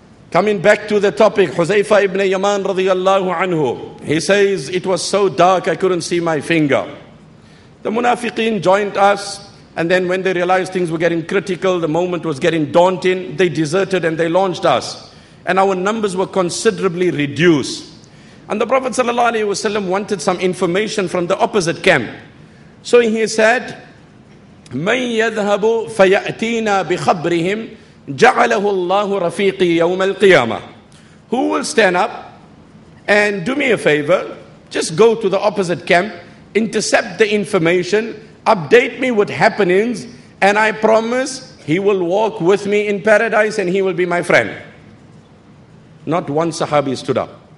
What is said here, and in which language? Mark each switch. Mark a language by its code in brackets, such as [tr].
[en] Coming back to the topic, Huzaifa ibn Yaman radiallahu anhu, he says, it was so dark I couldn't see my finger. The munafiqeen joined us, and then when they realized things were getting critical, the moment was getting daunting, they deserted and they launched us. And our numbers were considerably reduced. And the Prophet sallallahu alaihi wasallam wanted some information from the opposite camp. So he said, [ar] مَنْ يَذْهَبُ فَيَأْتِينَا بِخَبْرِهِمْ جَعَلَهُ اللَّهُ رَفِيقِي يَوْمَ الْقِيَامَةِ. [en] Who will stand up and do me a favor, just go to the opposite camp, intercept the information, update me what happenings, and I promise he will walk with me in paradise and he will be my friend. Not one sahabi stood up.